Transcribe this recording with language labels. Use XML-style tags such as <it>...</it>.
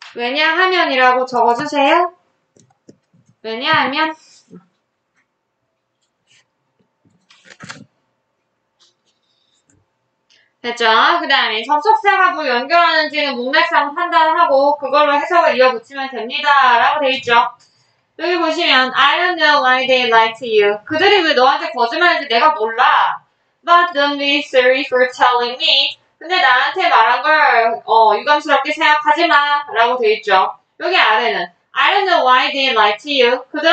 <ko>왜냐하면이라고 적어주세요. 왜냐하면 됐죠? 그 다음에 접속사하고 연결하는지는 문맥상 판단하고 그걸로 해석을 이어붙이면 됩니다라고 돼 있죠. 여기 보시면</ko> <en>I don't know why they lie to you.</en> <ko>그들이 왜 너한테 거짓말인지 내가 몰라.</ko> <en>But don't be sorry for telling me.</en> <ko>근데 나한테 말한 걸 유감스럽게 생각하지 마라고 돼 있죠. 여기 아래는</ko> <en>I don't know why they lie to you.</en>